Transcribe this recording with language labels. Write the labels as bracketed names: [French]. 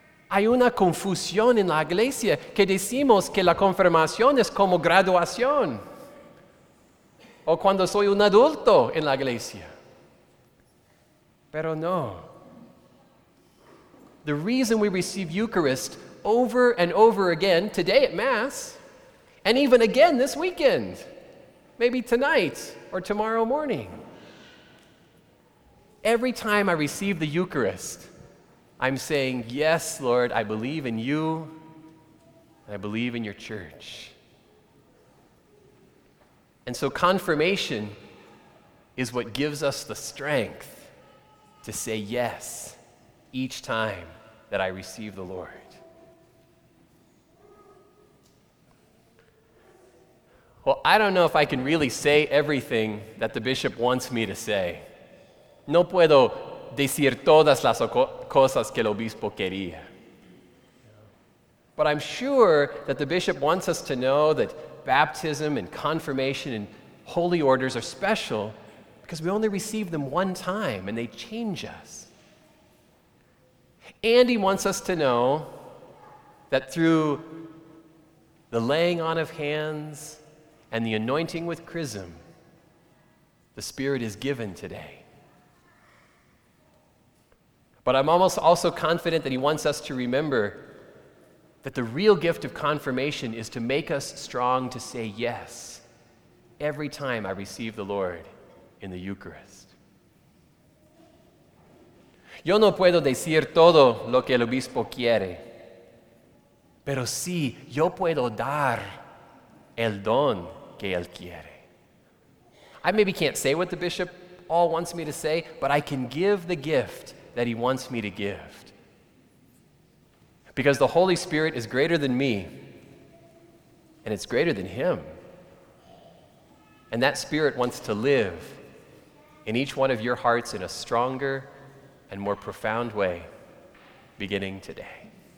[Spanish] Hay una confusión en la iglesia que decimos que la confirmación es como graduación. O cuando soy un adulto en la iglesia. Pero no. [English] The reason we receive Eucharist over and over again, today at Mass, and even again this weekend, maybe tonight or tomorrow morning, every time I receive the Eucharist, I'm saying, yes, Lord, I believe in You, and I believe in Your church. And so confirmation is what gives us the strength to say yes each time that I receive the Lord. Well, I don't know if I can really say everything that the bishop wants me to say. [Spanish] No puedo decir todas las cosas que el obispo quería. [English] But I'm sure that the bishop wants us to know that baptism and confirmation and holy orders are special because we only receive them one time and they change us. And he wants us to know that through the laying on of hands and the anointing with chrism, the Spirit is given today. But I'm almost also confident that he wants us to remember that the real gift of confirmation is to make us strong to say yes every time I receive the Lord in the Eucharist. [Spanish] Yo no puedo decir todo lo que el obispo quiere, pero sí, yo puedo dar el don que él quiere. [English] I maybe can't say what the bishop all wants me to say, but I can give the gift that he wants me to give. Because the Holy Spirit is greater than me, and it's greater than him. And that Spirit wants to live in each one of your hearts in a stronger and more profound way, beginning today.